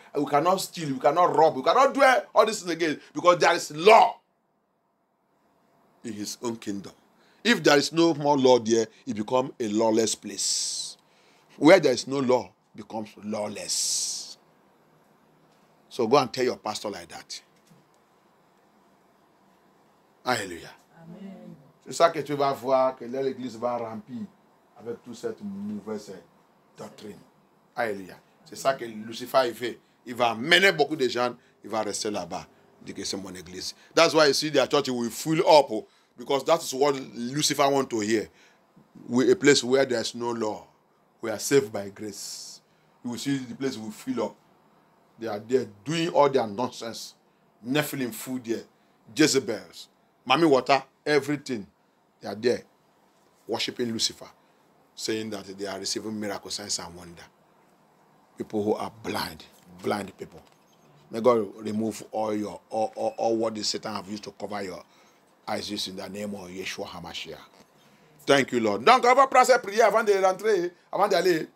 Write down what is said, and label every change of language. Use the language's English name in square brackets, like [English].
[English] We cannot steal, we cannot rob, we cannot do all this again because there is law in his own kingdom. If there is no more law there, it becomes a lawless place. Where there is no law, it becomes lawless. So go and tell your pastor like that. Hallelujah. Amen. [French] C'est ça que tu vas voir, que là l'église va remplir avec toute cette mauvaise doctrine. Alléluia. C'est ça que Lucifer il fait. Il va amener beaucoup de gens. Il va rester là-bas. Il dit que c'est mon église. [English] That's why you see their church will fill up. Because that is what Lucifer wants to hear. We, a place where there is no law. We are saved by grace. You will see the place will fill up. They are there doing all their nonsense. Nephilim food there. Jezebels. Mami water. Everything. They are there worshipping Lucifer. Saying that they are receiving miracles, signs, and wonder. People who are blind people. May God remove all what the Satan have used to cover your eyes just in the name of Yeshua HaMashiach. Thank you, Lord. [French] Donc, on va prendre cette prière avant de rentrer, avant d'aller.